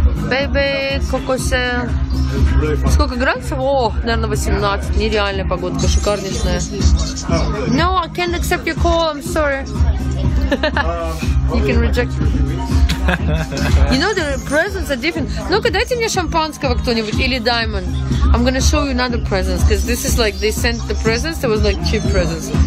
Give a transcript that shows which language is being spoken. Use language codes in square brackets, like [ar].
[ru] Бэйби, кокосе. Сколько градусов? О, наверное, 18. Нереальная погодка, шикарничная. [en] No, I can't accept your call, I'm sorry. You can reject. You know, the presents are different. [ru] Ну-ка, дайте мне шампанского кто-нибудь или diamond. [en] I'm gonna show you another presents, because this is like, they sent the presents, it was like cheap presents.